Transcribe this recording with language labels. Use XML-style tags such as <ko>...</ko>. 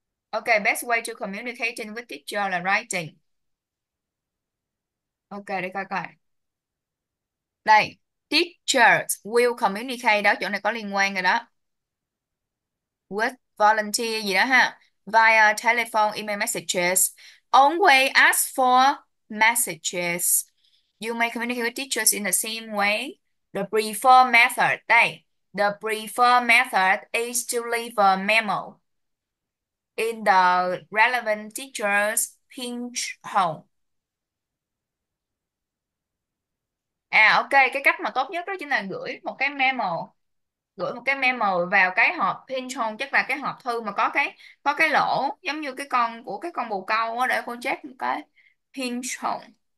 <en>Ok, best way to communicate with teacher là writing.</en> <vi>Ok, để coi coi. Đây,</vi> <en>teachers will communicate</en> <vi>đó, chỗ này có liên quan rồi đó.</vi> <en>With volunteer</en> <vi>gì đó ha.</vi> <en>Via telephone, email messages. Only ask for messages. You may communicate with teachers in the same way. The preferred method. Đây. The preferred method is to leave a memo in the relevant teacher's pinch hole.</en> <vi>À ok, cái cách mà tốt nhất đó chính là gửi một cái memo. Gửi một cái memo vào cái hộp pinch hole, chắc là cái hộp thư mà có cái lỗ giống như cái con bồ câu đó, để cô check một cái pinch hole.</vi>